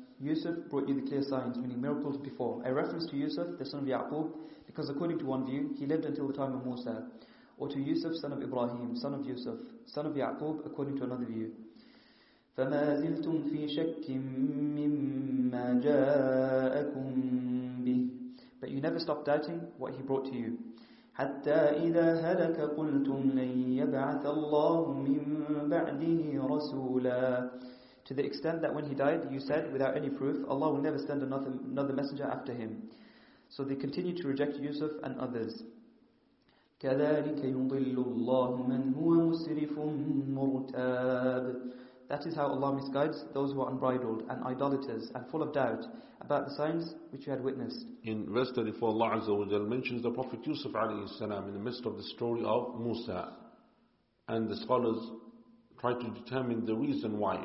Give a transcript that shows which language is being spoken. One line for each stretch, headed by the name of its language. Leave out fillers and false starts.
English: Yusuf brought you the clear signs, meaning miracles before. A reference to Yusuf, the son of Ya'qub, because according to one view, he lived until the time of Musa. Or to Yusuf, son of Ibrahim, son of Yusuf, son of Ya'qub, according to another view.
Arabic: فَمَا زِلْتُمْ فِي شَكٍّ مِمَّا جَاءَكُمْ بِهِ.
English: But you never stop doubting what he brought to you.
Arabic: حتى إذا هلك قلتم لن يبعث الله من بعده رسولا.
English: To the extent that when he died, you said without any proof, Allah will never send another messenger after him. So they continued to reject Yusuf and others.
Arabic: كذلك يضل الله من هو مسرف مرتاب.
English: That is how Allah misguides those who are unbridled and idolaters and full of doubt about the signs which you had witnessed. In verse 34, Allah Azza wa Jal mentions the Prophet Yusuf alayhi salam in the midst of the story of Musa. And the scholars try to determine the reason why.